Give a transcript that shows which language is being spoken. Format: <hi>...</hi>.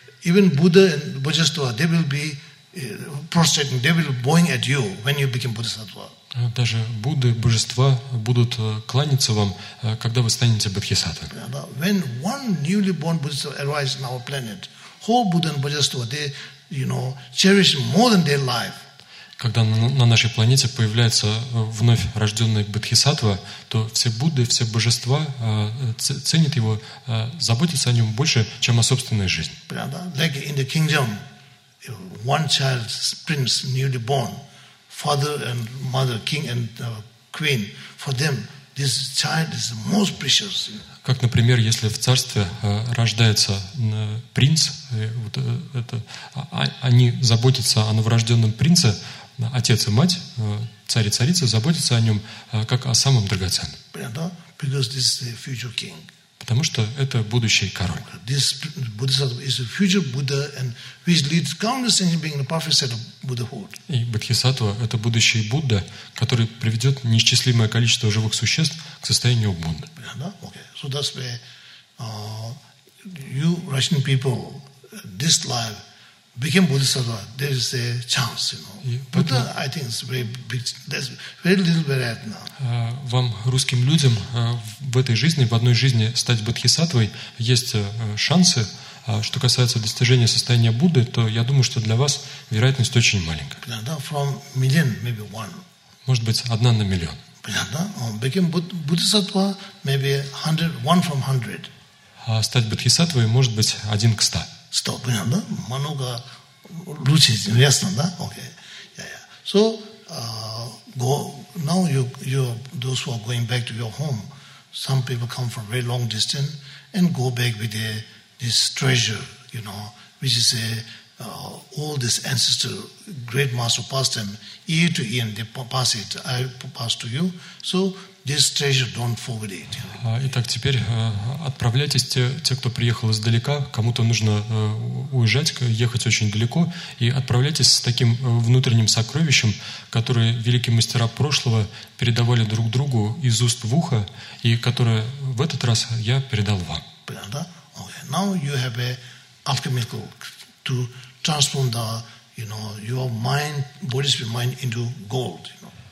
<en>Even Buddha and Bodhisattva, they will be prostrating, they will be bowing at you when you become Bodhisattva.</en> <ru>Даже Будды, Божества будут кланяться вам, когда вы станете Бодхисаттвой.</ru> <en>When one newly born Bodhisattva arrives on our planet, whole Buddha and Bodhisattva, they, you know, cherish more than their life.</en> <ru>Когда на нашей планете появляется вновь рожденный Бодхисаттва, то все Будды, все Божества ценят его, заботятся о нем больше, чем о собственной жизни.</ru> <en>Like in the kingdom, one child, prince, newly born, father and mother, king and queen, for them, this child is the most precious.</en> <ru>Как, например, если в царстве рождается принц, вот это, они заботятся о новорожденном принце, отец и мать, царь и царица заботятся о нем, как о самом драгоценном. Понятно?</ru> <en>Because this is the future king.</en> <ru>Потому что это будущий король.</ru> <en>This Bodhisattva is a future Buddha, and which leads countless things being the perfect set of Buddhahood.</en> <ru>И Бодхисаттва — это будущий Будда, который приведет неисчислимое количество живых существ к состоянию Будды. Понятно?</ru> <en>Okay. So that's why you Russian people, this life became Bodhisattva. There is a chance, you know. Buddha, I think, is very big. There's very little merit now.</en> <ru>Вам, русским людям, в этой жизни, в одной жизни стать бодхисаттвой, есть шансы. Что касается достижения состояния Будды, то я думаю, что для вас вероятность очень маленькая. Понятно?</ru> <en>From million, maybe one.</en> <ru>Может быть, одна на миллион. Понятно?</ru> <en>Became Bodhisattva, maybe 100, one from 100.</en> <ru>А стать бодхисаттвой, может быть, один к 100. Стоп, понятно, да? Много лучше, ясно, да? Окей.</ru> <en>So, go, now you, those who are going back to your home, some people come from very long distance and go back with this treasure, you know, which is all this ancestor, great master passed them, ear to ear, they pass it, I pass to you. So, this treasure, don't forget it.</en> <ru>Итак, теперь отправляйтесь те, кто приехал издалека, кому-то нужно уезжать, ехать очень далеко, и отправляйтесь с таким внутренним сокровищем, которое великие мастера прошлого передавали друг другу из уст в ухо, и которое в этот раз я передал вам. Понятно, да?</ru> <en>Okay. Now you have a alchemical to transform the, you know, your mind, body's mind into gold, you know.</en>